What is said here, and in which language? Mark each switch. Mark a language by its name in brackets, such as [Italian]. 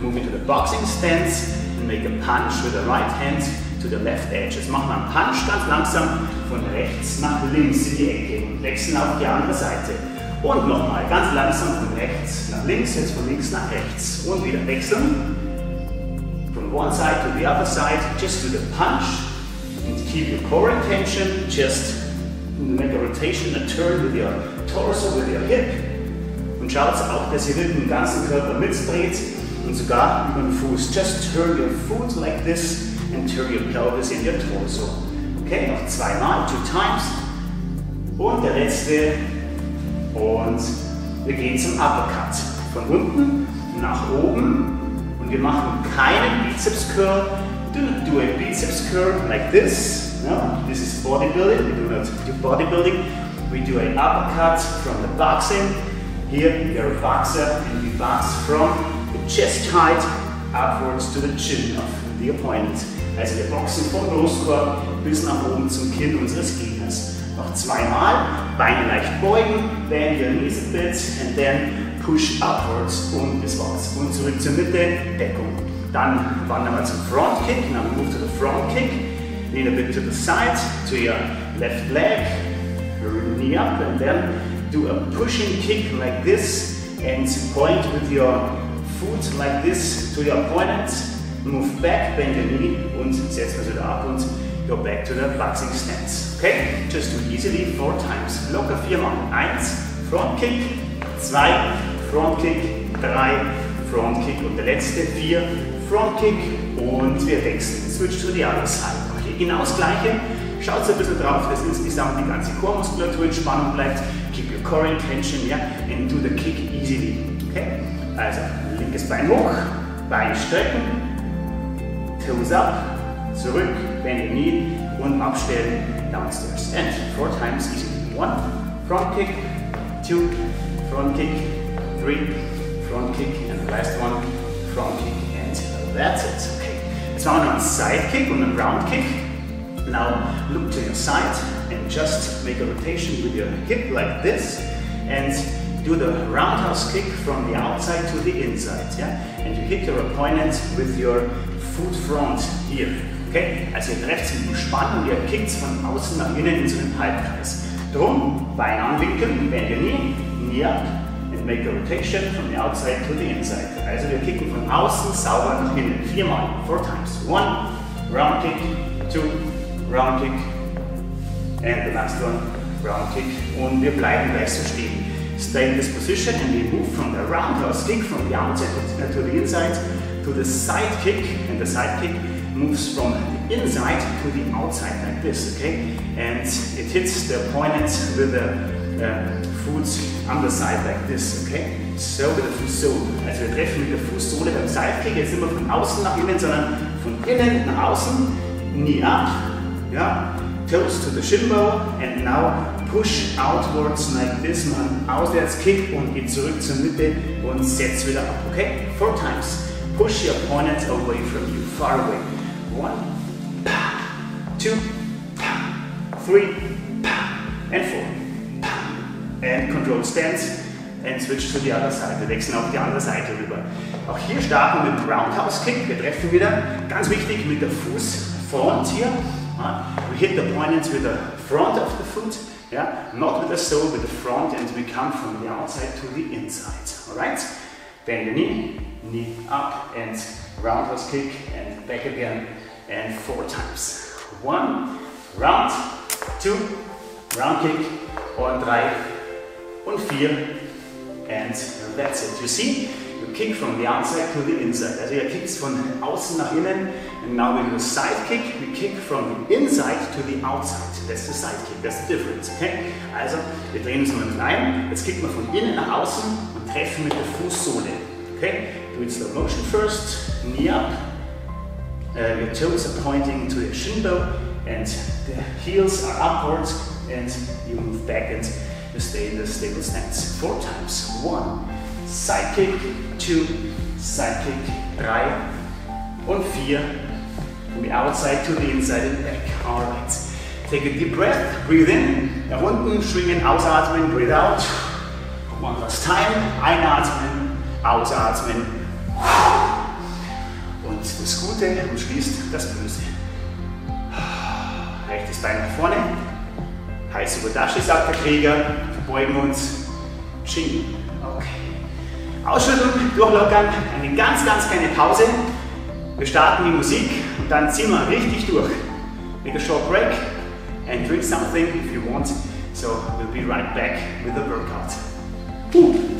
[English] Move into the boxing stance and make a punch with the right hand to the left edge. [German] Jetzt machen wir einen Punch ganz langsam von rechts nach links in die Ecke und wechseln auf die andere Seite. Und nochmal ganz langsam von rechts nach links, jetzt von links nach rechts. Und wieder wechseln. [English] From one side to the other side, just do the punch and keep your core in tension. Just make a rotation, a turn with your torso, with your hip. [German] Und schaut auch, dass ihr den ganzen Körper mitdreht. Und sogar über den Fuß. [English] Just turn your foot like this and turn your pelvis in your torso. [German] Okay, noch zweimal, [English] two times. [German] Und der letzte. Und wir gehen zum Uppercut. Von unten nach oben. Und wir machen keinen Bizeps Curl. [English] Do not do a Bizeps Curl like this. No, this is bodybuilding. We do not do bodybuilding. We do an uppercut from the boxing. Here we are a boxer and we box from the chest height upwards to the chin of the opponent. [German] Also wir boxen vom Brustkorb bis nach oben zum Kinn unseres Gegners. Noch zweimal, Beine leicht beugen, [English] bend your knees a bit and then push upwards [German] und das war's. [English] Und zurück zur Mitte, Deckung. Dann wandern wir zum Front Kick, now move to the front kick, lean a bit to the side, to your left leg, knee up and then do a pushing kick like this and point with your foot like this to your opponent, move back, bend your knee [German] und setz mal wieder ab [English] und go back to the boxing stance. Okay? Just do easily four times. [German] Locker viermal. Eins, front kick, zwei, front kick, drei, front kick und der letzte, vier, front kick und wir wechseln. [English] Switch to the other side. [German] Okay, genau das gleiche. Schaut ein bisschen drauf, dass insgesamt die ganze Chormuskulatur in Spannung bleibt. [English] Keep your core in tension, yeah, and do the kick easily. [German] Okay? Also, linkes Bein hoch, Bein strecken, [English] toes up, [German] zurück, [English] bend your knee [German] und abstellen [English] downstairs. And four times easy. One, front kick, two, front kick, three, front kick, and the last one, front kick, and that's it. Okay. [German] Jetzt machen wir noch einen Side Kick und einen Round Kick. [English] Now look to your side and just make a rotation with your hip like this and do the roundhouse kick from the outside to the inside, yeah? And you hit your opponent with your foot front here, okay? [German] Also ihr trefft sie mit Spannung und ihr kickt es von außen nach innen in so einem Halbkreis. Drum, Bein anwinkeln, [English] bend your knee, knee up and make a rotation from the outside to the inside. [German] Also wir kicken von außen sauber nach innen. Viermal, [English] four times. One, round kick, two, round kick and the last one, round kick [German] und wir bleiben gleich so stehen. [English] Stay in this position and we move from the roundhouse kick from the outside to the inside to the side kick and the side kick moves from the inside to the outside like this, okay? And it hits the opponent with the foot on the side like this, okay? So with the Fußsohle. [German] Also wir treffen mit der Fußsohle beim side kick jetzt nicht mehr von außen nach innen, sondern von innen nach außen, knee up. [English] Yeah, toes to the shin bone and now push outwards like this, man. [German] Auswärts kick und geht zurück zur Mitte und setz wieder ab, okay? [English] Four times. Push your opponent away from you, far away. One, two, three, and four. And control stance and switch to the other side. [German] Wir wechseln auf die andere Seite rüber. Auch hier starten wir mit dem Roundhouse Kick. Wir treffen wieder, ganz wichtig, mit der Fußfront hier. [English] We hit the points with the front of the foot. Yeah, not with the sole, with the front, and we come from the outside to the inside. Alright? Bend the knee, knee up, and roundhouse kick, and back again, and four times. One, round, two, round kick, [German] und drei, und vier, [English] and that's it. You see, you kick from the outside to the inside. [German] Also, ihr kickt von außen nach innen, [English] and now we do a side kick. We kick from the inside to the outside. That's the side kick, that's the difference, okay? [German] Also, wir drehen uns mal rein. Jetzt kicken wir von innen nach außen und treffen mit der Fußsohle, okay? [English] Do it slow motion first, knee up. Your toes are pointing to your shin bone, and the heels are upwards, and you move back and you stay in the stable stance. Four times. One, side kick. Two, side kick. [German] Drei und vier. [English] From the outside to the inside and back. All right. Take a deep breath, breathe in, [German] nach unten, schwingen, ausatmen, [English] breathe out. One last time, [German] einatmen, ausatmen. Und das Gute umschließt das Böse. Rechtes Bein nach vorne. Heiße Budashi, sagt der Krieger. Wir beugen uns. Ching. Okay. Ausschüttung, durchlockern, eine ganz, ganz kleine Pause. Wir starten die Musik und dann ziehen wir richtig durch. [English] Make a short break and drink something if you want. So we'll be right back with the workout.